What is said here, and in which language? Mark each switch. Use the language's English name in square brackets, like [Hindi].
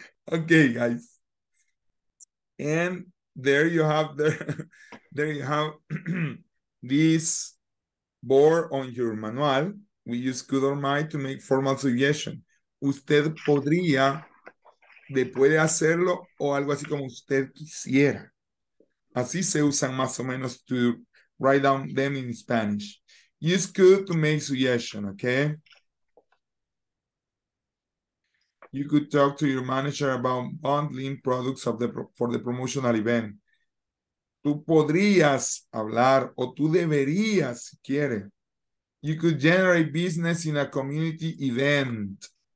[English] Okay, guys. And there you have this board on your manual. We use could or might to make formal suggestion. [Spanish] Usted podría, de puede hacerlo, o algo así como usted quisiera. Así se usan más o menos [English] to write down them in Spanish. Use could to make suggestion, okay? You could talk to your manager about bundling products for the promotional event. [Spanish] Tú podrías hablar o tú deberías si quieres. [English] You could generate business in a community event.